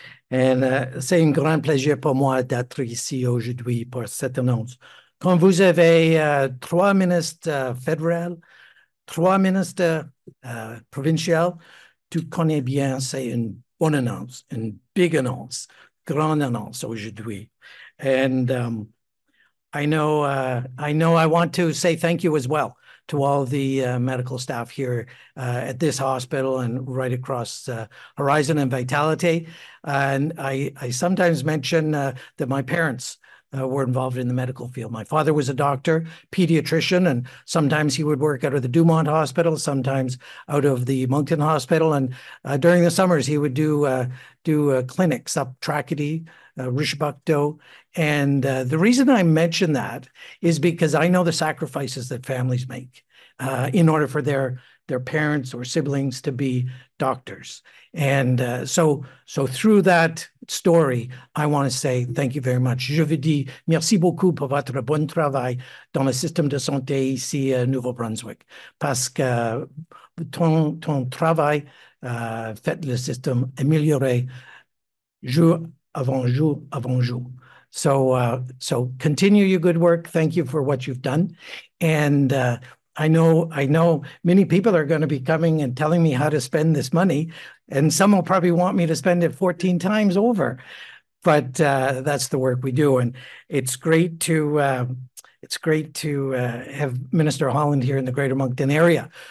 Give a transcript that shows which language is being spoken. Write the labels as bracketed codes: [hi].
[fr] Et c'est un grand plaisir pour moi d'être ici aujourd'hui pour cette annonce. Comme vous avez trois ministres fédéraux, trois ministres provinciaux, tu connais bien, c'est une bonne annonce, une big annonce, grande annonce aujourd'hui. [en] And I know I want to say thank you as well to all the medical staff here at this hospital and right across Horizon and Vitality. And I sometimes mention that my parents were involved in the medical field. My father was a doctor, pediatrician, and sometimes he would work out of the Dumont Hospital, sometimes out of the Moncton Hospital. And during the summers, he would do clinics up Tracadie, Richibucto. And the reason I mention that is because I know the sacrifices that families make in order for their parents or siblings to be doctors. And so through that story, I want to say thank you very much. [fr] Je vous dis merci beaucoup pour votre bon travail dans le système de santé ici à Nouveau-Brunswick. Parce que ton travail fait le système améliorer jour avant jour. [en] So continue your good work. Thank you for what you've done. And I know many people are going to be coming and telling me how to spend this money, and some will probably want me to spend it 14 times over, but that's the work we do. And it's great to have Minister Holland here in the Greater Moncton area.